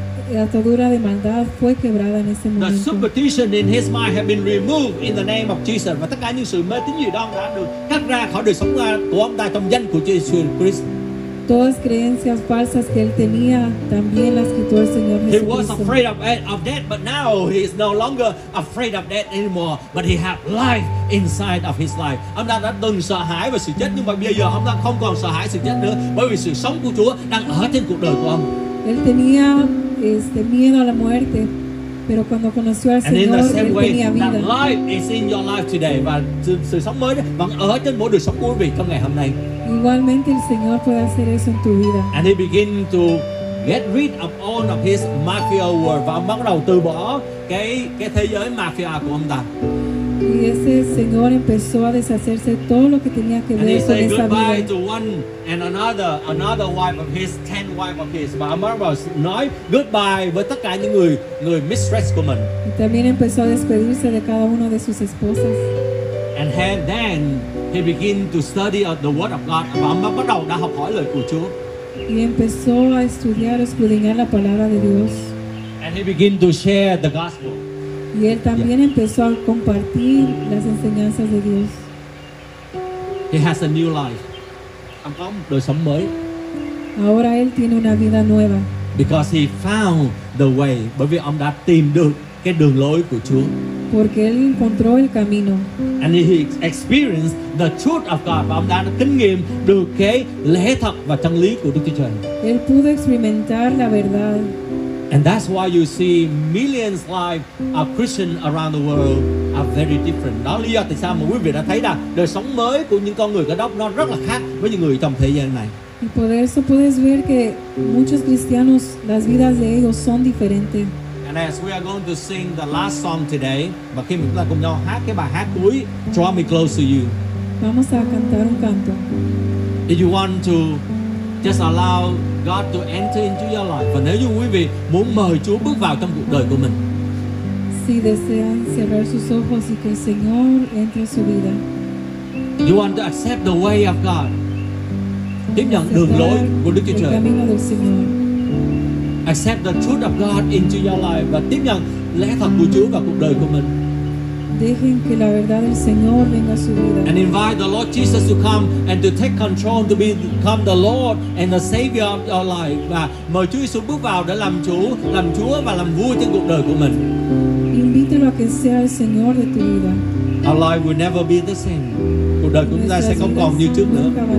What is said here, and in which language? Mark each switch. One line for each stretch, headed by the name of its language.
Spanish: La atadura de maldad fue quebrada en ese momento.
English: The superstition in his mind have been removed in the name of Jesus.
Vietnamese: Và tất cả những sự mê tín dị đoan đã được cắt ra khỏi đời sống của ông ta trong danh của Chúa Jesus Christ.
Spanish: Todas creencias falsas que él tenía también las quitó el Señor Jesucristo.
English: He was afraid of death, but now he is no longer afraid of death anymore. But he had life inside of his life.
Vietnamese: Ông ta đã từng sợ hãi về sự chết, nhưng mà bây giờ ông ta không còn sợ hãi sự chết nữa, bởi vì sự sống của Chúa đang ở trên cuộc đời của ông.
Spanish: Él tenía miedo a la muerte, pero cuando conoció al Señor, él tenía vida.
English: And in the same way, that life is in your life today.
Vietnamese: Và sự sống mới vẫn ở trên mỗi đời sống của quý vị trong ngày hôm nay.
Spanish: Igualmente el Señor puede hacer eso en tu vida.
English: And he begin to get rid of all of his mafia world.
Vietnamese: Và ông bắt đầu từ bỏ cái thế giới mafia của ông ta.
Spanish: Y ese Señor empezó a deshacerse de todo lo que tenía que ver con esa vida.
English: And he said goodbye to one and another wife of his, 10 wives of his.
Vietnamese: But Amarbos nói goodbye với tất cả những người mistress của mình.
Spanish: Y también empezó a despedirse de cada una de sus esposas.
English: And then he began to study the word of God.
Vietnamese: Và ông bắt đầu đã học hỏi lời của Chúa.
Spanish: Y empezó a estudiar, escudriñar la palabra de Dios.
English: And he began to share the gospel.
Spanish: Y él también empezó a compartir las enseñanzas de Dios.
English: He has a new life.
Vietnamese: Ông có đời sống mới.
Spanish: Ahora él tiene una vida nueva.
English: Because he found the way.
Vietnamese: Bởi vì ông đã tìm được cái đường lối của Chúa.
Spanish: Porque él encontró el camino.
English: And he experienced the truth of God.
Vietnamese: Và ông đã kinh nghiệm được cái lẽ thật và chân lý của Đức Chúa Trời.
Spanish: Él pudo experimentar la verdad.
English: And that's why you see millions of lives of Christians around the world are very different.
Vietnamese: Đó là lý do tại sao mà quý vị đã thấy rằng đời sống mới của những con người Cơ Đốc nó rất là khác với những người trong thế gian này.
Spanish: Y por eso puedes ver que muchos cristianos, las vidas de ellos son diferentes.
English: And as we are going to sing the last song today,
Vietnamese: và khi chúng ta cùng nhau hát cái bài hát cuối,
English: Draw Me Close to You.
Spanish: Vamos a cantar un canto.
English: If you want to just allow God to enter into your life,
Vietnamese: và nếu như quý vị muốn mời Chúa bước vào trong cuộc đời của mình.
Spanish: Si desean cerrar sus ojos y que el Señor entre su vida.
English: You want to accept the way of God.
Vietnamese: Tiếp nhận đường lối của Đức Chúa Trời.
English: Accept the truth of God into your life
Vietnamese: và tiếp nhận lẽ thật của Chúa vào cuộc đời của mình.
Spanish: Dejen que la verdad del Señor venga a su vida.
English: And invite the Lord Jesus to come and to take control, to become the Lord and the Savior of your life.
Vietnamese: Và mời Chúa Jesus bước vào để làm Chúa và làm vua trên cuộc đời của mình.
Spanish: Invítelo a que sea el Señor de tu vida.
English: Our life will never be the same.
Vietnamese: Cuộc đời của chúng ta sẽ không còn như trước nữa.